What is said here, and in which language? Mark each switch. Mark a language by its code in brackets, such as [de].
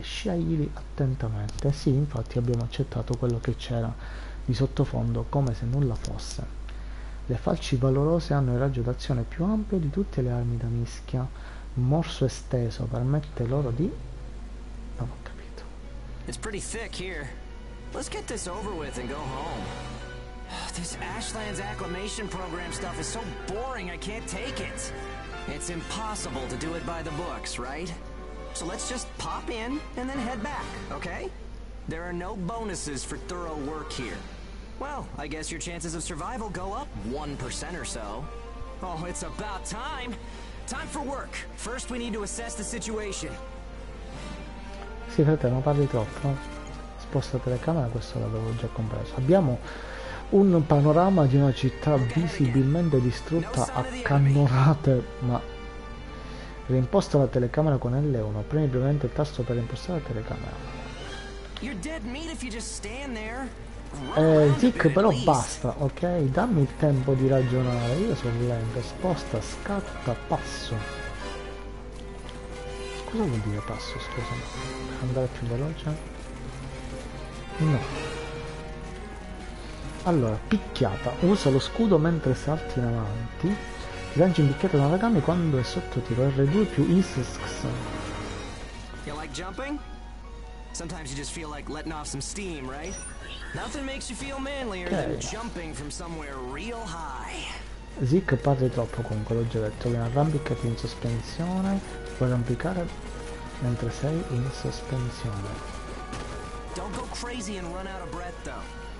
[it] Sceglili attentamente. Sì, infatti abbiamo accettato quello che c'era di sottofondo come se nulla fosse. Le falci valorose hanno il raggio d'azione più ampio di tutte le armi da mischia. Morso esteso permette loro di. Non [en] It's pretty thick here. Let's get this over with and go home. This Ashlands acclimation program stuff is so boring, I can't take it. It's impossible to do it by the books, right? So let's just pop in and then head back, okay? There are no bonuses for thorough work here. Well, I guess your chances of survival go up 1% or so. Oh, it's about time! Time for work! First, we need to assess the situation. [it] Sì, fratello, non parli troppo. Sposta telecamera, questo l'avevo già compreso. Abbiamo un panorama di una città visibilmente distrutta a cannonate, ma reimposta la telecamera con L1. Premi brevemente il tasto per reimpostare la telecamera. Zick, però basta, ok? Dammi il tempo di ragionare. Io sono lento. Sposta, scatta, passo. Cosa vuol dire passo, scusami? Andare più veloce? No. Allora, picchiata. Usa lo scudo mentre salti in avanti. Ti lanci un picchiato da Nagami quando è sotto tiro. R2 più Insisk. [en] You like jumping? Sometimes you just feel like letting off some steam, right? Nothing makes you feel manlier than jumping from somewhere real high. [it] Zick parte troppo, comunque l'ho già detto. Vieni, arrampicati in sospensione. Puoi arrampicare mentre sei in sospensione. [en] Don't go crazy and run out of breath though.